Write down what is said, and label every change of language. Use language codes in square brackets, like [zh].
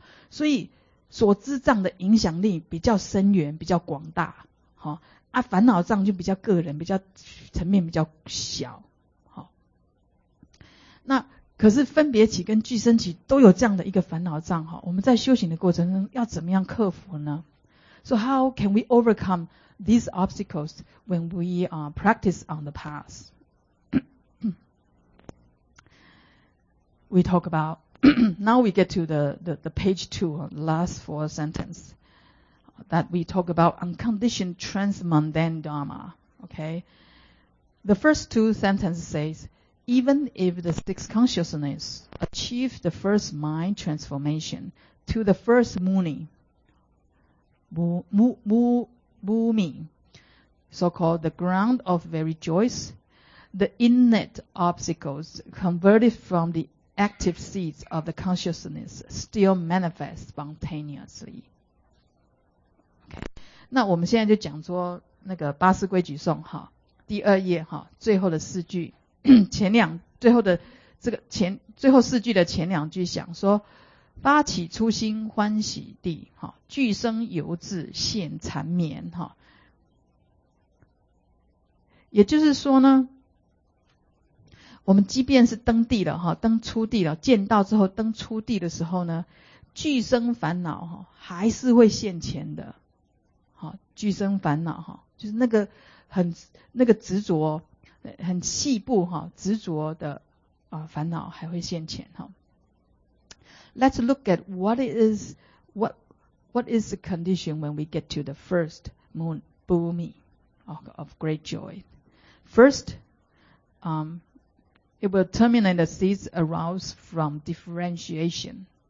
[zh] 所以所知障的影响力比较深远，比较广大，好，啊，烦恼障就比较个人，比较层面比较小，好。那可是分别起跟俱生起都有这样的一个烦恼障，好，我们在修行的过程中要怎么样克服呢？ [en] So how can we overcome these obstacles when we practice on the path? We talk aboutNow we get to the page 2, last 4 sentence, that we talk about unconditioned transmundane Dharma. Okay? The first 2 sentences says, even if the 6 consciousness achieve the first mind transformation to the first muni, bhumi, so-called the ground of very joys, the innate obstacles converted from theactive seeds of the consciousness still manifest spontaneously. Okay. [zh] 那我们现在就讲说那个八思规矩颂哈，第二页哈，最后的四句，最后四句的前两句想说，发起初心欢喜地哈，俱生犹自现缠绵哈，也就是说呢，我们即便是登地了，登初地了，见到之后登初地的时候呢，俱生烦恼还是会现前的。俱生烦恼就是那个执着，很细部执着的烦恼还会现前。 [en] Let's look at what is the condition when we get to the first moon, Bhumi, of great joy. First, it will terminate the seeds aroused from differentiation.